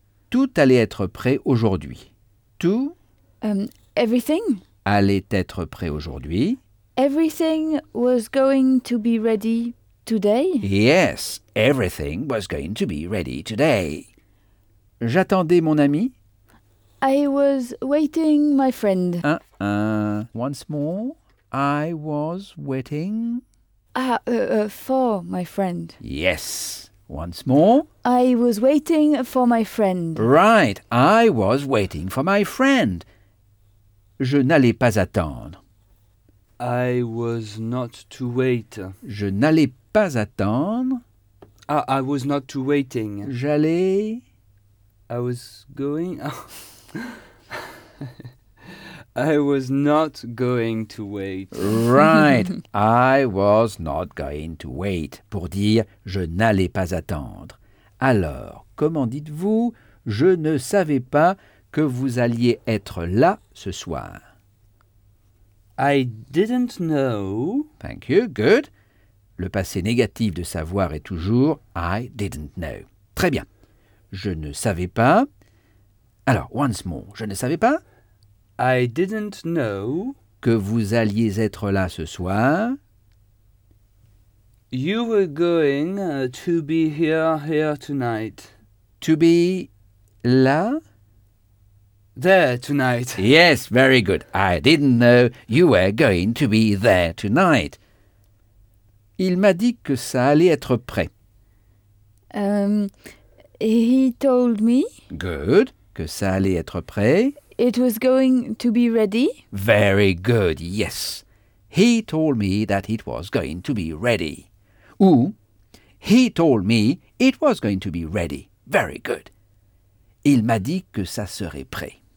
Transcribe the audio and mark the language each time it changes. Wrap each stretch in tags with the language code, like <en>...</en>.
<fr>Tout allait être prêt aujourd'hui. Tout.</fr> <en>Everything.</en> <fr>Allait être prêt aujourd'hui.</fr> <en>Everything was going to be ready today. Yes. Everything was going to be ready today.</en> <fr>J'attendais mon ami.</fr> <en>I was waiting my friend. Once more, I was waiting... For my friend. Yes. Once more. I was waiting for my friend. Right. I was waiting for my friend.</en> <fr>Je n'allais pas attendre.</fr> <en>I was not to wait.</en> <fr>Je n'allais pas attendre.</fr> <en>I was not to waiting.</en> <fr>J'allais...</fr> <en>I was going... I was not going to wait. Right. I was not going to wait.</en> <fr>Pour dire, je n'allais pas attendre. Alors, comment dites-vous, je ne savais pas que vous alliez être là ce soir.</fr> <en>I didn't know. Thank you. Good.</en> <fr>Le passé négatif de savoir est toujours</fr> <en>I didn't know.</en> <fr>Très bien. Je ne savais pas. Alors,</fr> <en>once more,</en> <fr>je ne savais pas.</fr> <en>I didn't know</en> <fr>que vous alliez être là ce soir.</fr> <en>You were going to be here tonight. To be là? There tonight. Yes, very good. I didn't know you were going to be there tonight.</en> <fr>Il m'a dit que ça allait être prêt.</fr> <en>He told me.</en> <fr>Good. Que ça allait être prêt.</fr> <en>It was going to be ready. Very good, yes. He told me that it was going to be ready. Ou, he told me it was going to be ready. Very good.</en> <fr>Il m'a dit que ça serait prêt.</fr>